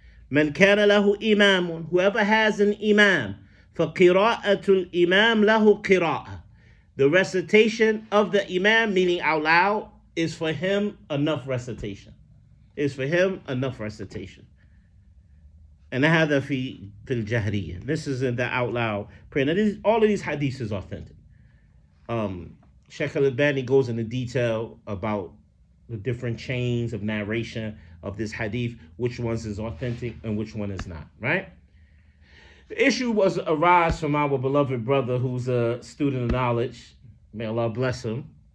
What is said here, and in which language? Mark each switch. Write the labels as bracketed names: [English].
[Arabic] Man kana lahu imamun, [English] whoever has an imam, [Arabic] faqira'atul imam lahu qira'ah. [English] The recitation of the imam, meaning out loud, is for him enough recitation. Is for him enough recitation. [Arabic] And هذا في الجهرية. [English] This is in the out loud prayer. Now this, all of these hadiths is authentic. Sheikh al-Albani goes into detail about the different chains of narration of this hadith, which ones is authentic and which one is not, right? The issue was arise from our beloved brother who's a student of knowledge. May Allah bless him.